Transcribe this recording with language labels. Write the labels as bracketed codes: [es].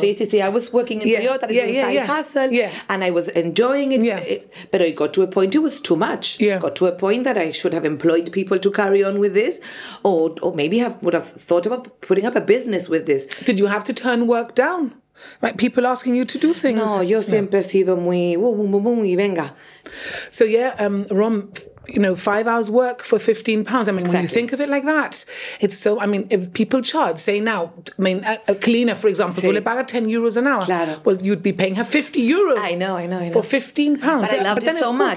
[es] Sí. [en] I was working in Toyota. This was a side hustle. Yeah. And I was enjoying it. Yeah. But it got to a point, it was too much. Yeah. Got to a point that I should have employed people to carry on with this. Or maybe would have thought about putting up a business with this. Did you have to turn work down? Right, people asking you to do things. [es] No, yo siempre he sido muy boom, boom, boom, y venga. [en] So yeah, Rom, you know, 5 hours work for £15. I mean, exactly. When you think of it like that, it's so. I mean, if people charge, say now, I mean, a cleaner, for example, Will it pay 10 euros an hour? [es] Claro. [en] Well, you'd be paying her €50. I know. For £15. But I loved it so much.